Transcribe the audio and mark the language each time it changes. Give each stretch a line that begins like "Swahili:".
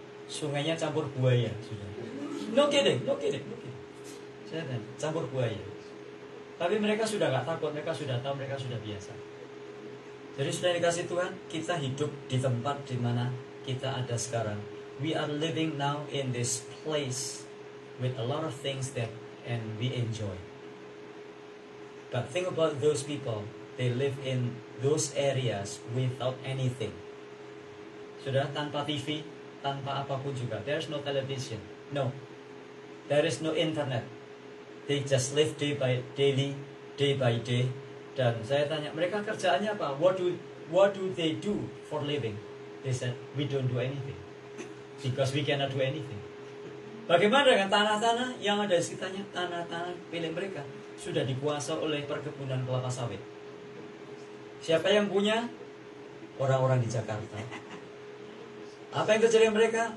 Indonesian: Sungainya campur buaya, saudara.
English: No kidding.
Indonesian: Campur buaya. Tapi mereka sudah gak takut, mereka sudah tahu, mereka sudah biasa. Jadi sudah dikasih Tuhan, kita hidup di tempat di mana kita ada sekarang.
English: We are living now in this place with a lot of things that and we enjoy. But think about those people, they live in those areas without anything.
Indonesian: Sudah tanpa TV, tanpa apapun juga.
English: There is no television. No. There is no internet. They just live day by daily, day by day.
Indonesian: Dan saya tanya, mereka kerjaannya apa?
English: What do they do for living? They said, we don't do anything. Because we cannot do anything.
Indonesian: Bagaimana dengan tanah-tanah yang ada di sekitarnya? Tanah-tanah milik mereka sudah dikuasai oleh perkebunan kelapa sawit. Siapa yang punya? Orang-orang di Jakarta. Apa yang terjadi mereka?